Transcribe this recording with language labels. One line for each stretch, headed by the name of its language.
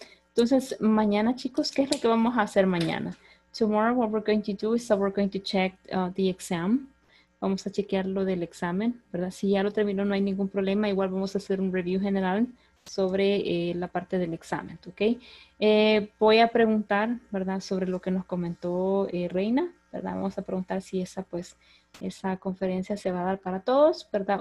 Spanish: Entonces, mañana, chicos, ¿qué es lo que vamos a hacer mañana?
English: Tomorrow, what we're going to do is that we're going to check the exam.
Spanish: Vamos a chequear lo del examen, ¿verdad? Si ya lo terminó, no hay ningún problema. Igual vamos a hacer un review general sobre la parte del examen, ¿ok? Voy a preguntar, ¿verdad? Sobre lo que nos comentó Reina, ¿verdad? Vamos a preguntar si esa, pues, esa conferencia se va a dar para todos, ¿verdad?